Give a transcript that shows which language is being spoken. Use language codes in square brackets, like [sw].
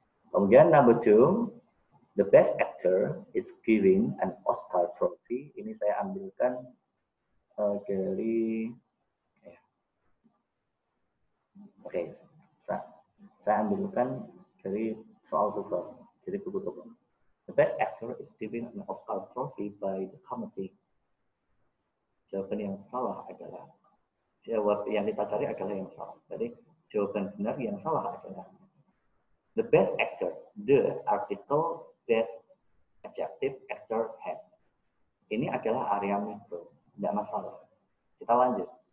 [id] Kemudian [en] number 2, the best actor is giving an Oscar trophy. [id] Ini saya ambilkan dari ya. Oke. Saya ambilkan dari soal Google. Jadi Google. [en] The best actor is giving an Oscar trophy by the committee. [id] Jawaban yang salah adalah, jawab yang kita cari adalah yang salah. Jadi jawaban benar yang salah adalah [en] the best actor, the article, best adjective, actor, had. [id] Ini adalah area metro, tidak masalah. Kita lanjut.